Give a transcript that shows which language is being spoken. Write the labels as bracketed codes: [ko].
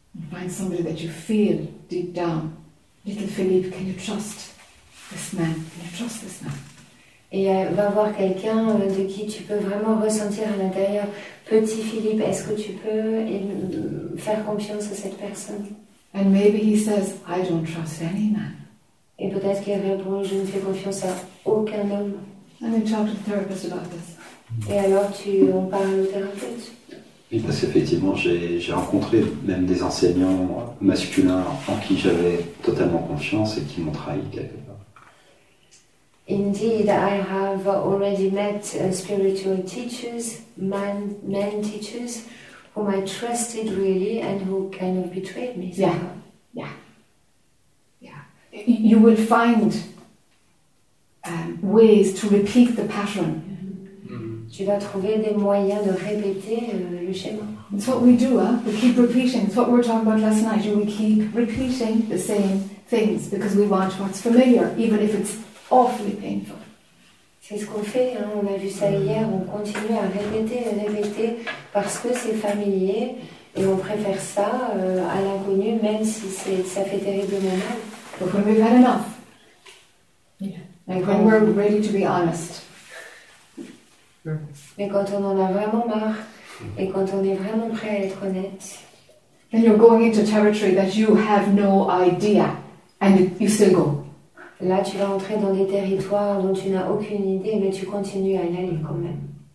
[en] Find somebody that you feel deep down. Little Philippe, can you trust this man? Can you trust this man? [fr] Et va voir quelqu'un de qui tu peux vraiment ressentir à l'intérieur. Petit Philippe, est-ce que tu peux faire confiance à cette personne? [en] And maybe he says, I don't trust any man. [fr] Et peut-être qu'il répond, je ne fais confiance à aucun homme. [en] And then talk to the therapist about this. [fr] Et alors tu en parles au thérapeute? Oui, parce qu'effectivement, j'ai rencontré même des enseignants masculins en qui j'avais totalement confiance et qui m'ont trahi quelque part. [en] Indeed, I have already met spiritual teachers, men teachers, whom I trusted really and who kind of betrayed me. Yeah, yeah, yeah. You will find ways to repeat the pattern. [fr] Tu vas trouver des moyens de répéter le schéma. [en] It's what we do, huh? We keep repeating. It's what we were talking about last night. We keep repeating the same things because we want what's familiar, even if it's awfully painful. [fr] C'est ce qu'on fait, hein? On a vu ça hier, on continue à répéter et répéter parce que c'est familier et on préfère ça à l'inconnu même si ça fait terriblement mal. [en] But when we've had enough, yeah. Like when we're ready to be honest. [fr] Mais quand on en a vraiment marre et quand on est vraiment prêt à être honnête, [en] then you're going into territory that you have no idea, and you still go. [fr] Là, tu vas entrer dans des territoires dont tu n'as aucune idée, mais tu continues à y aller quand même.